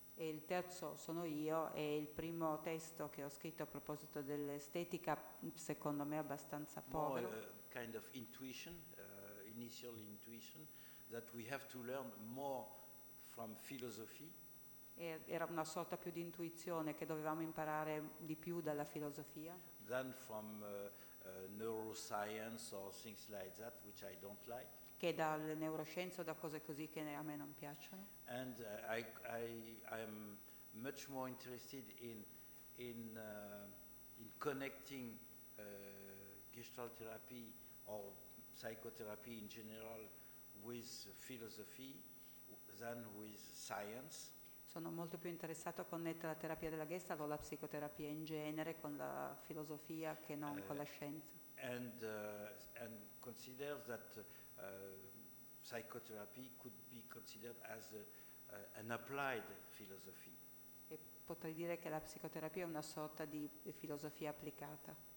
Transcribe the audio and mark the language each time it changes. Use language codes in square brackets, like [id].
[it] E il terzo sono io, e il primo testo che ho scritto a proposito dell'estetica, secondo me, abbastanza povero. [en] More kind of intuition, initial intuition, that we have to learn more from philosophy. [it] Era una sorta più di intuizione che dovevamo imparare di più dalla filosofia. [en] Than from neuroscience or things like that, which I don't like. [it] Che dalle neuroscienze o da cose così che a me non piacciono. [en] And I am much more interested in connecting gestalt therapy or psychotherapy in general with philosophy than with science. [it] Sono molto più interessato a connettere la terapia della Gestalt o la psicoterapia in genere con la filosofia che non con la scienza. [en] And consider that psychotherapy could be considered as an applied philosophy. [it] E potrei dire che la psicoterapia è una sorta di filosofia applicata.